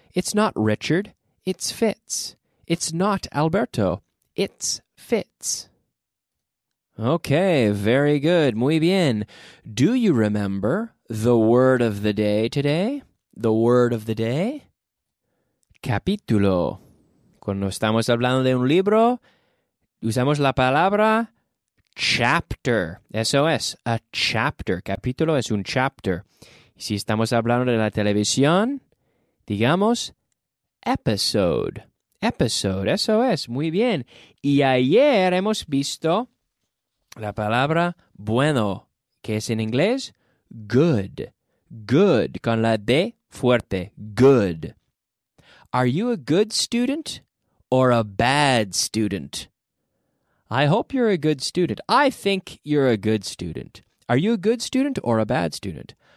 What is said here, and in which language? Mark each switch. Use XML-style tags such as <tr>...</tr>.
<en>It's not Richard. It's Fitz. It's not Alberto. It's Fitz. Okay, very good.</en> <es>Muy bien.</es> <en>Do you remember the word of the day today? The word of the day? Capítulo.</en> <es>Cuando estamos hablando de un libro, usamos la palabra chapter. Eso es, a chapter. Capítulo es un chapter. Y si estamos hablando de la televisión, digamos episode. Episode, eso es, muy bien. Y ayer hemos visto la palabra bueno, que es en inglés good. Good, con la D fuerte, good.</es> <en>Are you a good student or a bad student? I hope you're a good student. I think you're a good student. Are you a good student or a bad student?</en>